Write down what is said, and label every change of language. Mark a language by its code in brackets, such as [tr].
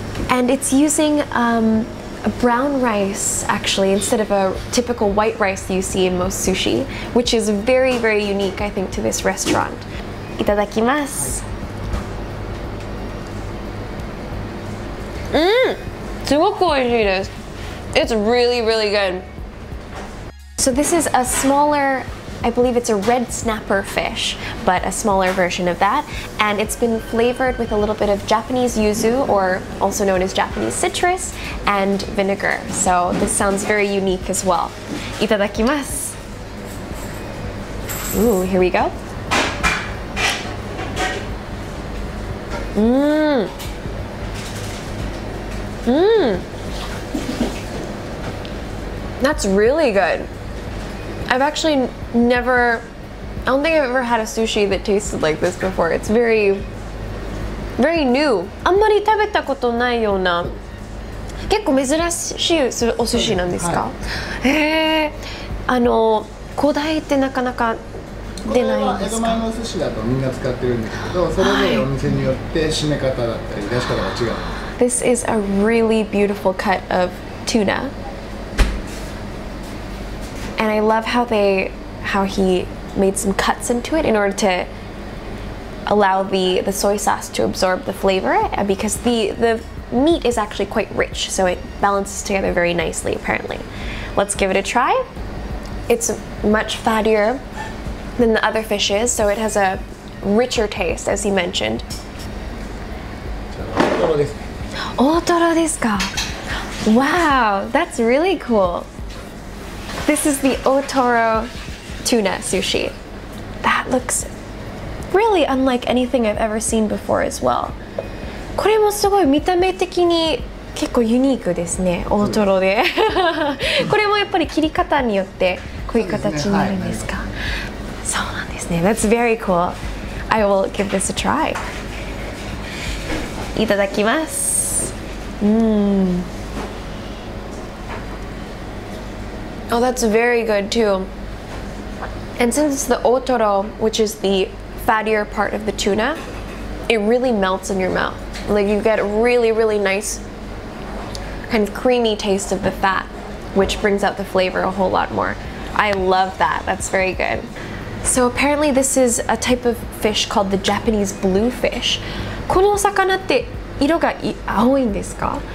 [en] And it's using brown rice actually instead of a typical white rice you see in most sushi, which is very very unique I think to this restaurant. [ja] いただきます。うん、すごく美味しいです。 [en] It's really really good. So this is a smaller. I believe it's a red snapper fish, but a smaller version of that. And it's been flavored with a little bit of Japanese yuzu, or also known as Japanese citrus, and vinegar. So this sounds very unique as well. [ja] いただきます。 [en] Ooh, here we go. Mmm. Mmm. That's really good. I've actually never, I don't think I've ever had a sushi that tasted like this before. It's very, very new. [ja] あんまり食べたことないような、結構珍しいお寿司なんですか？へえ、古代ってなかなか出ないんですか。江戸前の寿司だとみんな使ってるんですけど、それぞれお店によって締め方だったり出し方が違う、はい、 [en] This is a really beautiful cut of tuna And I love how they how he made some cuts into it in order to allow the soy sauce to absorb the flavor because the meat is actually quite rich so it balances together very nicely apparently. Let's give it a try. It's much fattier than the other fishes so it has a richer taste as he mentioned. [ja] 大トロですか? [en] Wow, that's really cool. This is the Otoro tuna sushi. That looks really unlike anything I've ever seen before as well. [ja] これもすごい見た目的に結構ユニークですね、大トロで。これもやっぱり切り方によってこういう形になるんですか。そうなんですね。 [en] That's very cool. I will give this a try. [ja] いただきます。 [en] Oh, that's very good too. And since it's the otoro, which is the fattier part of the tuna, it really melts in your mouth. Like you get a really, really nice kind of creamy taste of the fat, which brings out the flavor a whole lot more. I love that. That's very good. So apparently this is a type of fish called the Japanese bluefish. [ja] この魚って色が青いんですか?